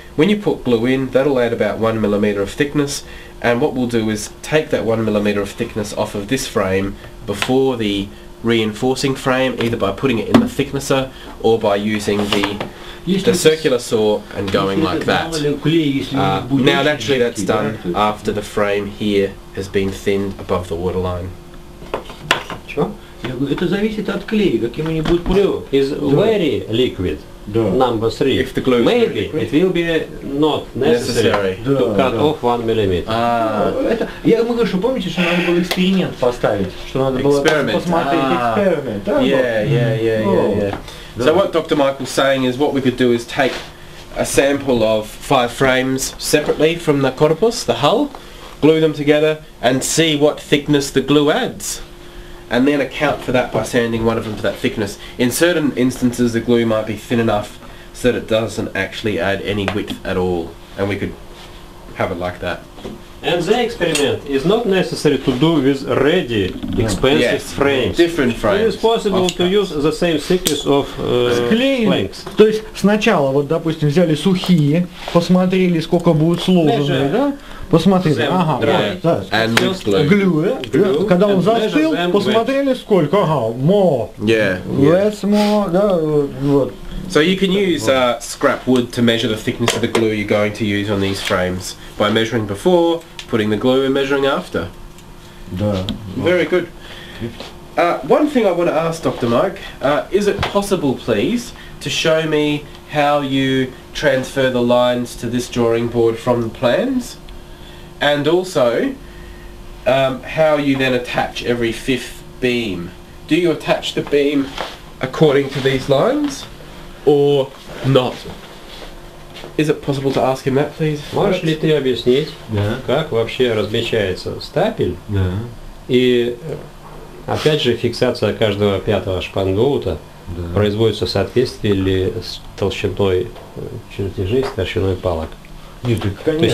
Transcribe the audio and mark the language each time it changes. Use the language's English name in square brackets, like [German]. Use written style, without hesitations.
[English] When you put glue in, that'll add about 1 millimeter of thickness. And what we'll do is take that 1 millimeter of thickness off of this frame before the reinforcing frame, either by putting it in the thicknesser or by using the circular saw and going like that. Now, naturally, that's done after the frame here has been thinned above the waterline. [Russian] Я говорю, это зависит от клея, каким они будут плюс. [English] Is very liquid. Number three. If the glue maybe it will be not necessary to cut off 1 millimeter. [Russian] Я ему говорю, что помните, что надо было эксперимент поставить, что надо было посмотреть эксперимент. [English] Yeah. So what Dr. Michael's saying is, what we could do is take a sample of 5 frames separately from the corpus, the hull, glue them together, and see what thickness the glue adds. And then account for that by sanding one of them to that thickness. In certain instances, the glue might be thin enough so that it doesn't actually add any width at all. And we could have it like that. And the experiment is not necessary to do with ready, expensive frames. Different frames. It is possible to use the same thickness of planks. [Russian] То есть сначала, вот, допустим, взяли сухие, посмотрели, сколько будут сложены, да? Посмотрели, ага, [English] and [Russian] да, да. Глюя. Когда он застыл, посмотрели сколько, ага, [English] So you can use scrap wood to measure the thickness of the glue you're going to use on these frames by measuring before, putting the glue and measuring after. Very good. One thing I want to ask Dr. Mike, is it possible, please, to show me how you transfer the lines to this drawing board from the plans? And also, how you then attach every fifth beam. Do you attach the beam according to these lines? Or not? Is it possible to ask him that, please? [Russian] Можешь ли ты объяснить, как вообще размещается стапель и, опять же, фиксация каждого пятого шпангоута производится в соответствии ли с толщиной чертежей, с толщиной палок? Нет, конечно.